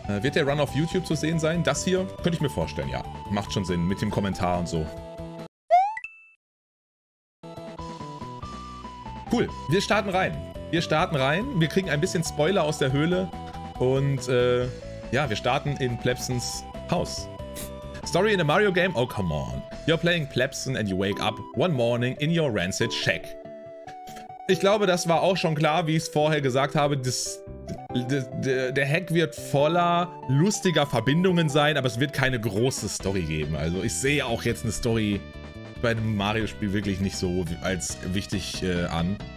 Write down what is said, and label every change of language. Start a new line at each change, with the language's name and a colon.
German: Wird der Run auf YouTube zu sehen sein? Das hier? Könnte ich mir vorstellen, ja. Macht schon Sinn, mit dem Kommentar und so. Cool, wir starten rein. Wir starten rein, wir kriegen ein bisschen Spoiler aus der Höhle und ja, wir starten in Plebsons Haus.
English: Story in a Mario game? Oh, come on. You're playing Plebson and you wake up one morning in your rancid shack.
German: Ich glaube, das war auch schon klar, wie ich es vorher gesagt habe. Der Hack wird voller lustiger Verbindungen sein, aber es wird keine große Story geben. Also ich sehe auch jetzt eine Story bei einem Mario-Spiel wirklich nicht so als wichtig an.